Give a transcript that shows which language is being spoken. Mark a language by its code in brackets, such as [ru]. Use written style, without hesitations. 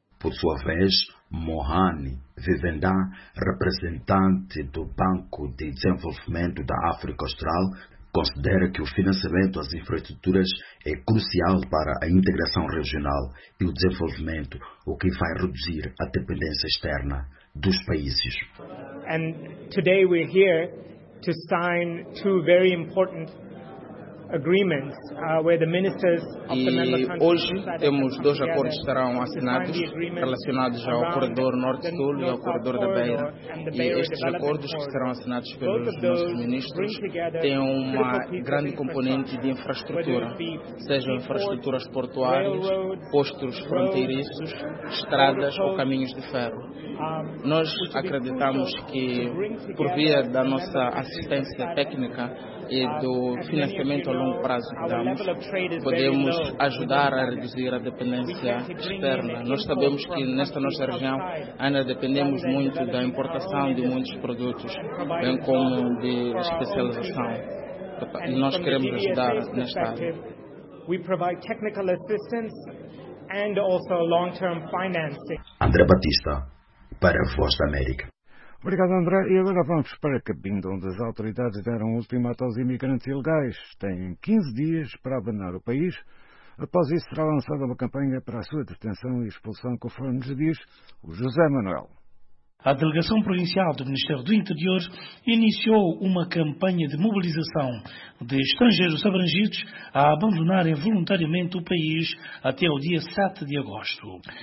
[pt] Por sua vez, Mohani Vivendá, representante do Banco de Desenvolvimento da África Austral, considera que o financiamento às infraestruturas é crucial para a integração regional e o desenvolvimento, o que vai reduzir a dependência externa dos países. [en] And today we're here to sign two very important agreements where the ministers of the member countries. [pt] E hoje temos dois acordos que estarão assinados relacionados ao corredor norte-sul e ao corredor da Beira. E estes acordos que serão assinados pelos nossos ministros têm uma grande componente de infraestrutura, sejam infraestruturas portuárias, postos fronteiriços, estradas ou caminhos de ferro. Nós acreditamos que, por via da nossa assistência técnica e do financiamento a longo prazo que damos, podemos ajudar a reduzir a dependência externa. Nós sabemos que nesta nossa região ainda dependemos muito da importação de muitos produtos, bem como de especialização. E nós queremos ajudar nesta área. [en] We provide technical assistance and also long-term financing. [pt] André Batista, para a Voz da América. Obrigado, André. E agora vamos para a cabine, onde as autoridades deram um ultimato aos imigrantes ilegais. Têm 15 dias para abandonar o país. Após isso, será lançada uma campanha para a sua detenção e expulsão, conforme nos diz o José Manuel. A Delegação Provincial do Ministério do Interior iniciou uma campanha de mobilização de estrangeiros abrangidos a abandonarem voluntariamente o país até o dia 7 de agosto.